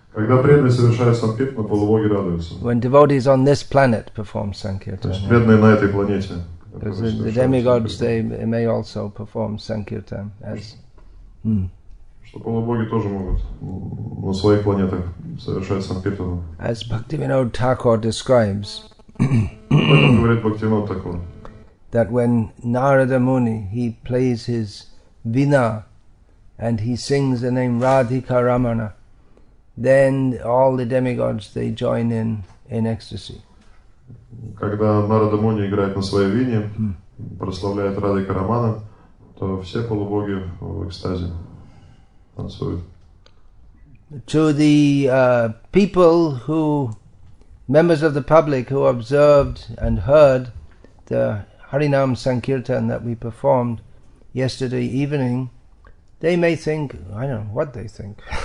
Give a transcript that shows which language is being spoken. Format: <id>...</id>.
<ru>Когда преданные совершают санкиртану, полубоги радуются.</ru> <en>When devotees on this planet perform sankirtan.</en> <ru>Преданные на этой планете.</ru> <en>Because the demigods they may also perform sankirtan as.</en> <ru>Что полубоги тоже могут на своих планетах совершать санкиртану.</ru> <en>As Bhaktivinoda Thakur describes. That when Narada Muni he plays his vina and he sings the name Radhika Ramana, then all the demigods they join in ecstasy.</en> <ru>Когда Нарада Муни играет на своей вине, прославляет Радхика Рамана, то все полубоги в экстазе танцуют.</ru> <en>To the people who members of the public who observed and heard the Harinam Sankirtan that we performed yesterday evening, they may think, I don't know what they think.</en>